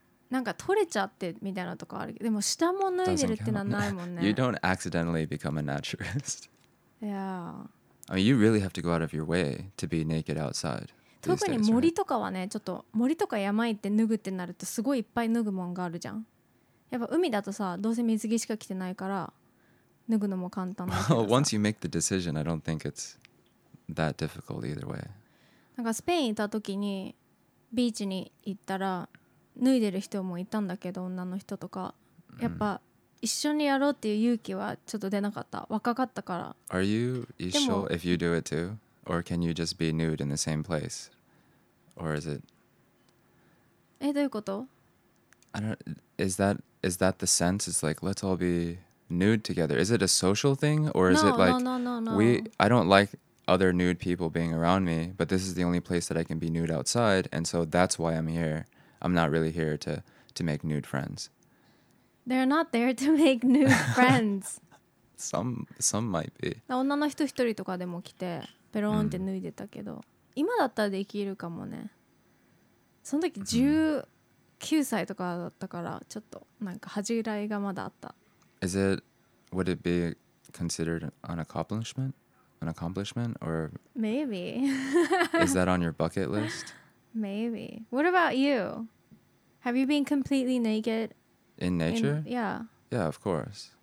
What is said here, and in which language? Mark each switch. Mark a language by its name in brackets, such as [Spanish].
[Japanese] なんか取れちゃってみたいなとかあるけど、でも下も脱いでるってのはないもんね。 [English] You don't accidentally become a naturist. Yeah. I mean, you really have to go out of your way to be naked outside. [Japanese] 特に森とかはね、ちょっと森とか山行って脱ぐってなるとすごいいっぱい脱ぐもんがあるじゃん。やっぱ海だとさ、どうせ水着しか着てないから。脱ぐのも簡単だけどさ。 [English] Well, once you make the decision, I don't think it's that difficult either way. [Japanese] なんかスペイン行った時にビーチに行ったら脱いでる人もいたんだけど、女の人とか。やっぱ一緒にやろうっていう勇気はちょっと出なかった。若かったから。 [English] Are you sure if you do it too? Or can you just be nude in the same place? Or is it... [Japanese] え、どういうこと? [English] I don't... Is that the sense? It's like, let's all be... Nude together. Is it a social thing or is no, it like no, no, no, no. we? I don't like other nude people being around me, but this is the only place that I can be nude outside, and so that's why I'm here. I'm not really here to make nude friends. They're not there to make nude friends. some might be. [Japanese] 女の人一人とかでも来てペローンって脱いでたけど、今だったらできるかもね。その時19歳とかだったからちょっとなんか恥じらいがまだあった。 [English] Is it, would it be considered an accomplishment? An accomplishment or? Maybe. Is that on your bucket list? Maybe. What about you? Have you been completely naked? In nature? Yeah. Yeah, of course.